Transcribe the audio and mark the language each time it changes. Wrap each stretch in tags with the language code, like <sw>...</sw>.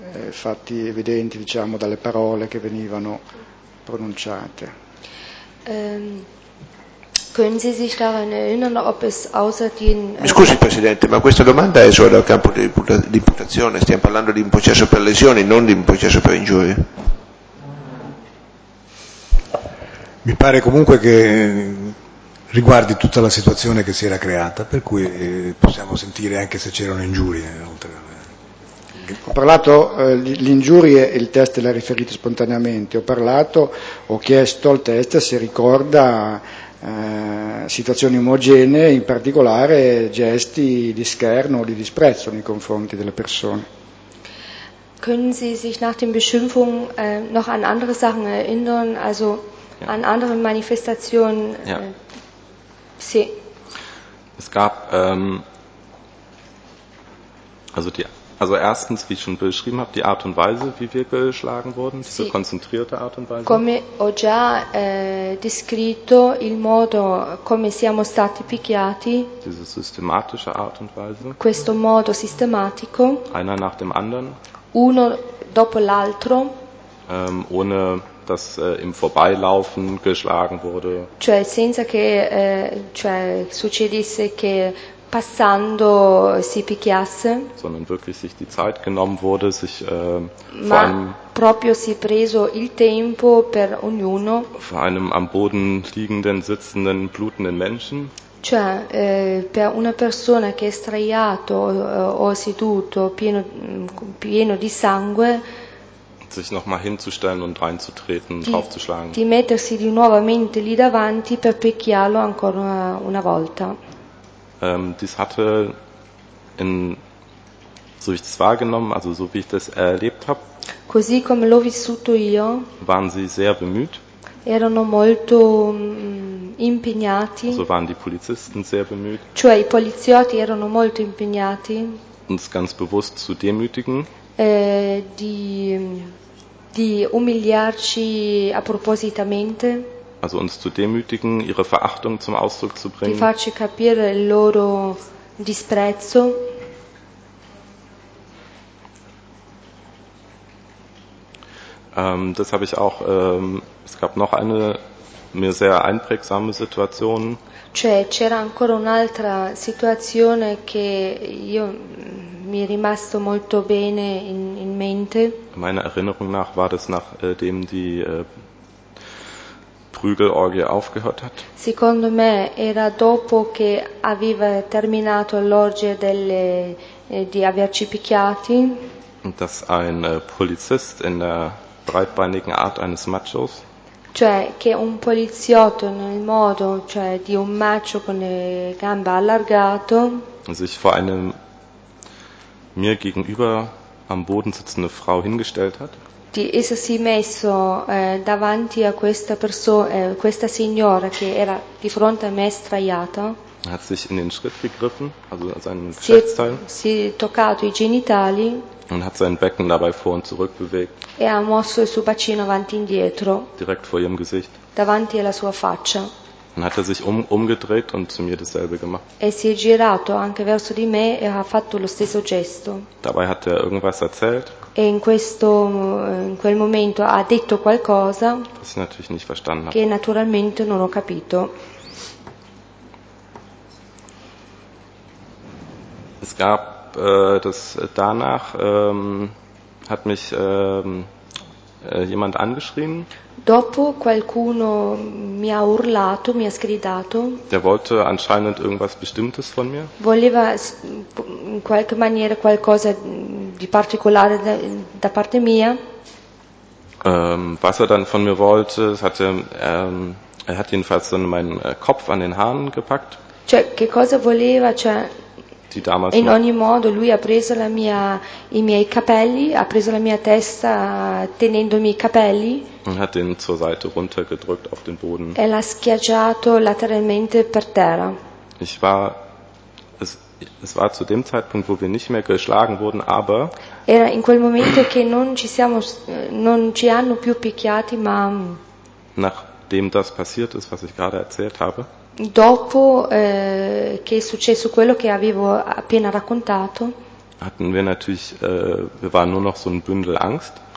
<it>fatti evidenti, diciamo, dalle parole che venivano pronunciate.</it> <de>Können Sie sich daran erinnern, ob es außer den,</de> <it>mi scusi Presidente, ma questa domanda è solo dal campo di imputazione, stiamo parlando di un processo per lesioni, non di un processo per ingiurie. Mi pare comunque che riguardi tutta la situazione che si era creata, per cui possiamo sentire anche se c'erano ingiurie oltre. Ho parlato l'ingiurie, il test l'ha riferito spontaneamente, ho parlato, ho chiesto al test se ricorda situazioni omogenee, in particolare gesti di scherno o di disprezzo nei confronti delle persone.</it> <de>Können Sie sich nach den Beschimpfungen noch an andere Sachen erinnern, also an andere Manifestationen? Ja. Sie. Es gab, also erstens, wie ich schon beschrieben habe, die Art und Weise, wie wir geschlagen wurden, diese</de> <it>Sì.</it> <de>konzentrierte Art und Weise.</de> <it>Come ho già descritto il modo come siamo stati picchiati,</it> <de>Diese systematische Art und Weise,</de> <it>questo modo sistematico,</it> <de>einer nach dem anderen,</de> <it>uno dopo l'altro.</it> <de>ohne dass im Vorbeilaufen geschlagen wurde.</de> <it>Cioè senza che cioè succedesse che passando si picchiasse,</it> <de>Sondern wirklich sich die Zeit genommen wurde, sich</de> <it>ma proprio si è preso il tempo per ognuno,</it> <de>vor einem am Boden liegenden, sitzenden, blutenden Menschen.</de> <it>cioè per una persona che è straiato o seduto pieno di sangue,</it> <de>Sich nochmal hinzustellen und reinzutreten, draufzuschlagen.</de> <it>di mettersi di nuovamente lì davanti per picchiarlo ancora una volta.</it> <de>Dies hatte, so wie ich das wahrgenommen, also so wie ich das erlebt habe,</de> <it>Così come l'ho vissuto io,</it> <de>waren sie sehr bemüht.</de> <it>erano molto</it> <de>Also</de> <it>impegnati,</it> <de>waren die Polizisten sehr bemüht,</de> <it>cioè i poliziotti erano molto impegnati,</it> <de>uns ganz bewusst zu demütigen.</de> <it>di umiliarci appositamente,</it> <de>Also uns zu demütigen, ihre Verachtung zum Ausdruck zu</de> <it>di</it> <de>bringen.</de> <it>farci capire il loro disprezzo.</it> <de>Das habe ich auch, es gab noch eine mir sehr einprägsame Situation.</de> <it>Cioè, c'era ancora un'altra situazione che io mi è rimasto molto bene in mente.</it> <de>Meiner Erinnerung nach war das, nachdem die Prügelorgie aufgehört hat.</de> <it>Secondo me era dopo che aveva terminato l'orgia di averci picchiati,</it> <de>Und dass ein Polizist in der breitbeinigen Art eines Machos</de> <it>cioè che un poliziotto nel modo cioè di un macho con le gambe allargato,</it> <de>sich vor einem mir gegenüber am Boden sitzende Frau hingestellt hat.</de> <it>di essersi messo davanti a questa signora che era di fronte a me straiata,</it> <de>Hat sich in den Schritt gegriffen, also seinen Geschlechtsteil,</de> <it>si è toccato i genitali e</it> <de>und hat sein Becken dabei vor und zurück bewegt,</de> <it>ha mosso il suo bacino avanti e indietro,</it> <de>direkt vor ihrem Gesicht.</de> <it>davanti alla sua faccia. E</it> <de>Dann hat er sich umgedreht und zu mir dasselbe gemacht.</de> <it>si è girato anche verso di me e ha fatto lo stesso gesto.</it> <de>Dabei hat er irgendwas erzählt,</de> <it>E in quel momento ha detto qualcosa</it> <de>was ich natürlich nicht verstanden</de> <it>che</it> <de>habe.</de> <it>naturalmente non ho capito.</it> <de>Es gab das danach hat mich jemand angeschrien.</de> <it>Dopo qualcuno mi ha urlato, mi ha sgridato,</it> <de>Der wollte anscheinend irgendwas Bestimmtes von mir.</de> <it>voleva in qualche maniera qualcosa di particolare da parte mia.</it> <de>Was er dann von mir wollte, er hat jedenfalls dann meinen Kopf an den Haaren gepackt,</de> <it>Cioè, che cosa voleva? Cioè,</it> <de>die damals</de> <it>in</it> <de>noch.</de> <it>ogni modo lui ha preso i miei capelli, ha preso la mia testa tenendomi i capelli.</it> <de>Und hat den zur Seite runtergedrückt auf den Boden.</de> <it>E l'ha schiaggiato lateralmente per terra.</it> <de>Es war zu dem Zeitpunkt, wo wir nicht mehr geschlagen wurden, aber</de> <it>Era in quel momento che non ci hanno più picchiati, ma</it> <de>nachdem das passiert ist, was ich gerade erzählt habe,</de> <it>dopo che è successo quello che avevo appena raccontato,</it> <de>hatten wir natürlich, wir waren nur noch so ein Bündel Angst.</de>